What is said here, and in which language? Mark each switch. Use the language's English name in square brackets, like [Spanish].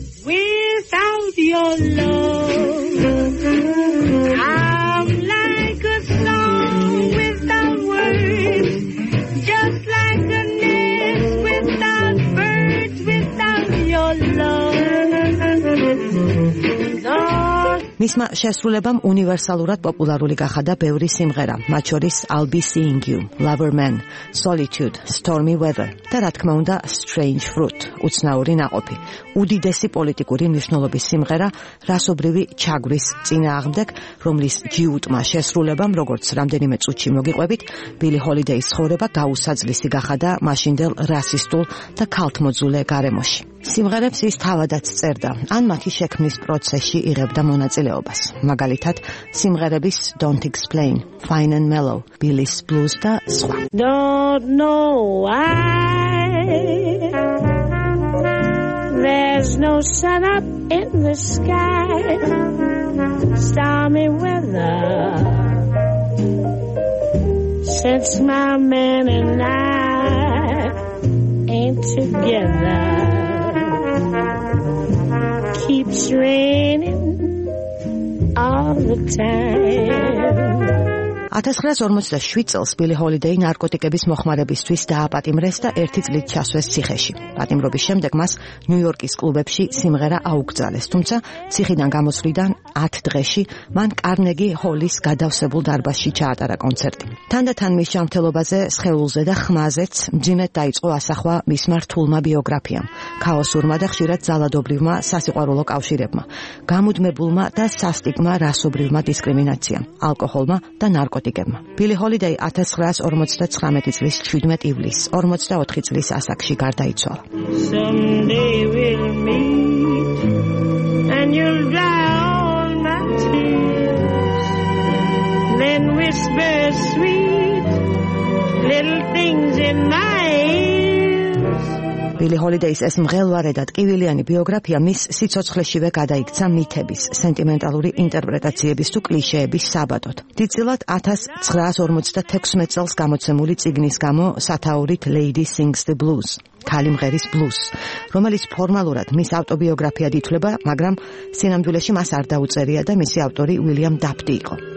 [English] Without your love, I'm like a song without words, just like a nest without birds. Without your love. [Georgian] მისმა შესრულებამ უნივერსალურად პოპულარული გახადა ბევრი სიმღერა, მათ შორის I'll Be Seeing You, Lover Man, Solitude, Stormy Weather და რა თქმა უნდა Strange Fruit, უცნაური ნაყოფი, უდიდესი პოლიტიკური მნიშვნელობის სიმღერა რასობრივი ჩაგვრის წინააღმდეგ, რომლის ჯიუტმა შესრულებამ, როგორც რამდენიმე წუთში მოგიყვებით, ბილი ჰოლიდეის ცხოვრება გაუსაძლისი გახადა მაშინდელ რასისტულ და ქალთმოძულე გარემოში. სიმღერებს ის თავადაც წერდა, ან მათი შექმნის პროცესში იღებდა მონაწილეობას. მაგალითად, სიმღერების Don't Explain, Fine and Mellow, Billy's Blues და სხვა. [English] Don't know why there's no sun up in the sky. Stormy weather since my man and I ain't together. Keeps raining all the time. [Georgian] 1947 წელს ბილი ჰოლიდეი ნარკოტიკების მოხმარებისთვის დააპატიმრეს და ერთი წლით ჩასვეს ციხეში. პატიმრობის შემდეგ მას ნიუ-იორკის კლუბებში სიმღერა აუკრძალეს, თუმცა ციხიდან გამოსვლიდან 10 დღეში მან კარნეგი ჰოლის გადავსებულ დარბაზში ჩაატარა კონცერტი. თანდათან მის ჯანმრთელობაზე, სხეულზე და ხმაზეც მძიმედ დაიწყო ასახვა მის მართულმა ბიოგრაფიამ, ქაოსურმა და ხშირად ძალადობრივმა სასიყვარულო კავშირებმა, გამუდმებულმა და სასტიკმა რასობრივმა დისკრიმინაციამ, ალკოჰოლმა და ნარკოტიკებმა. ბილი ჰოლიდეი 1959 წლის 17 ივლისს 44 წლის ასაკში გარდაიცვალა. [English] Someday we'll meet and you'll dry all my tears, then whisper sweet little things in my ears. [Georgian] ბილი ჰოლიდეის ეს მღელვარე და ტკივილიანი ბიოგრაფია მის სიცოცხლეშივე გადაიქცა მითების, სენტიმენტალური ინტერპრეტაციების თუ კლიშეების საბადოდ. დიდწილად 1956 წელს გამოცემული წიგნის გამო სათაურით Lady Sings the Blues, ქალი მღერის ბლუზს, რომელიც ფორმალურად მის ავტობიოგრაფიად ითვლება, მაგრამ სინამდვილეში მას არ დაუწერია და მისი ავტორი უილიამ დაფტი იყო.